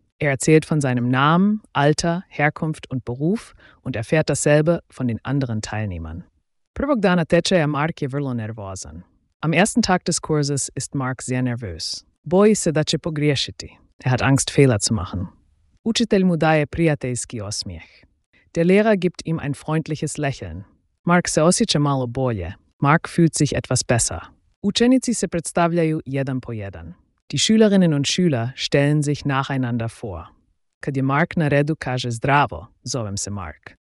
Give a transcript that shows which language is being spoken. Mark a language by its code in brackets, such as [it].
[de] Erzählt von seinem Namen, Alter, Herkunft und Beruf und erfährt dasselbe von den anderen Teilnehmern. [hr] Prvog dana tečaja Mark je vrlo nervozan. [de] Am ersten Tag des Kurses ist Mark sehr nervös. [hr] Boji se da će pogriješiti. [de] Hat Angst, Fehler zu machen. [hr] Učitelj mu daje prijateljski osmijeh. [de] Der Lehrer gibt ihm ein freundliches Lächeln. [hr] Mark se osjeća malo bolje. [de] Mark fühlt sich etwas besser. [hr] Učenici se predstavljaju jedan po jedan. [de] Die Schülerinnen und Schüler stellen sich nacheinander vor. [hr] Kad je Mark na redu kaže zdravo, zovem se Mark.